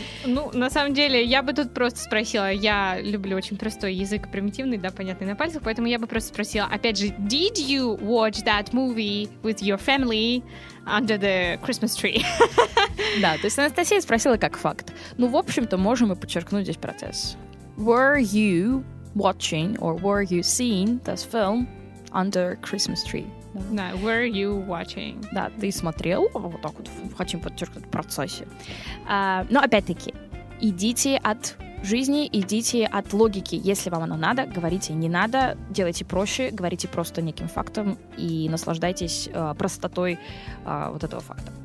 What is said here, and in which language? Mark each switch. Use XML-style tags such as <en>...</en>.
<ru>Ну, на самом деле, я бы тут просто спросила, я люблю очень простой язык, примитивный, да, понятный на пальцах, поэтому я бы просто спросила, опять же,</ru> <en>did you watch that movie with your family under the Christmas tree?</en> <ru>Да, то есть Анастасия спросила как факт. Ну, в общем-то, можем и подчеркнуть здесь процесс.</ru> <en>Were you watching or were you seeing this film under Christmas tree? No, were you watching?</en> <ru>Да, ты смотрел? Вот так вот, хотим подчеркнуть в процессе. Но опять-таки, идите от жизни, идите от логики. Если вам оно надо, говорите «не надо», делайте проще, говорите просто неким фактом и наслаждайтесь простотой вот этого факта.</ru>